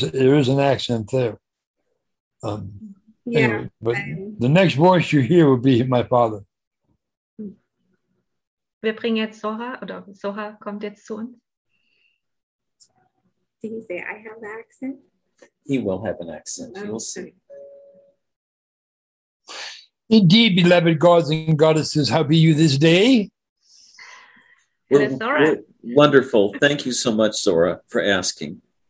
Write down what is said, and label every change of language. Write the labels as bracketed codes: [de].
[en] There is an accent there. Yeah. Anyway, but the next voice you hear will be my father. [de] Wir bringen jetzt Soha, oder Soha kommt jetzt zu uns. [en] Did he say I have an accent? He will have an accent. Okay. You'll see. Indeed, beloved gods and goddesses, how be you this day? We're, Sora. We're wonderful. Thank you so much, Sora, for asking.